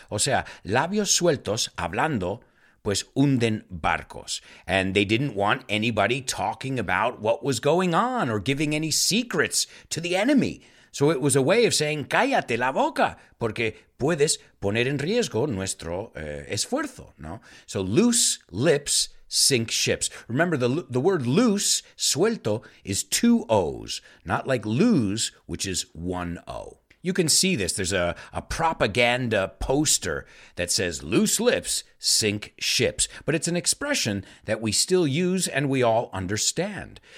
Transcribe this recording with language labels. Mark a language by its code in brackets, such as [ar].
[es] O sea, labios sueltos hablando pues hunden barcos. [en] And they didn't want anybody talking about what was going on or giving any secrets to the enemy. So it was a way of saying, [es] cállate la boca, porque puedes poner en riesgo nuestro esfuerzo, ¿no? [en] So loose lips sink ships. Remember, the word loose, suelto, is two O's, not like lose, which is one O. You can see this. There's a propaganda poster that says, loose lips sink ships. But it's an expression that we still use and we all understand.